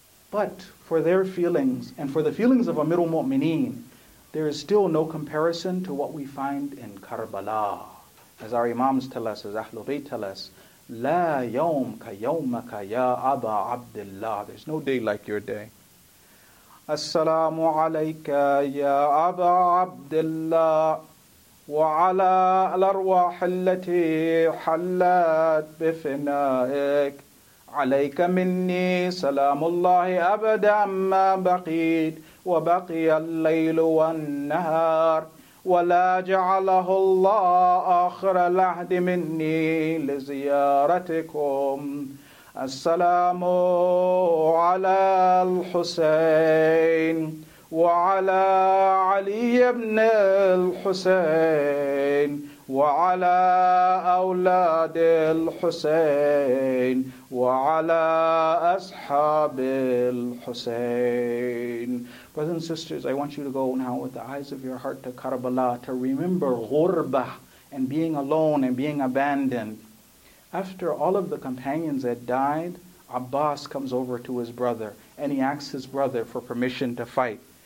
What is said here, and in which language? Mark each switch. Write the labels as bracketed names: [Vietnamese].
[English] But for their feelings, and for the feelings of Amirul Mu'mineen, there is still no comparison to what we find in Karbala. As our Imams tell us, as Ahlul Bayt tell us, [Arabic] لا يوم كيومك يا أبا عبد الله. [English] There's no day like your day. [Arabic] السلام عليك يا أبا عبد الله وعلى الأرواح التي حلت بفنائك عليك مني سلام الله أبدا ما بقيت وبقي الليل والنهار ولا جعله الله آخر العهد مني لزيارتكم السلام على الحسين وعلى علي بن الحسين وعلى أولاد الحسين وعلى أصحاب الحسين. [English] Brothers and sisters, I want you to go now with the eyes of your heart to Karbala to remember ghurba and being alone and being abandoned. After all of the companions had died, Abbas comes over to his brother and he asks his brother for permission to fight.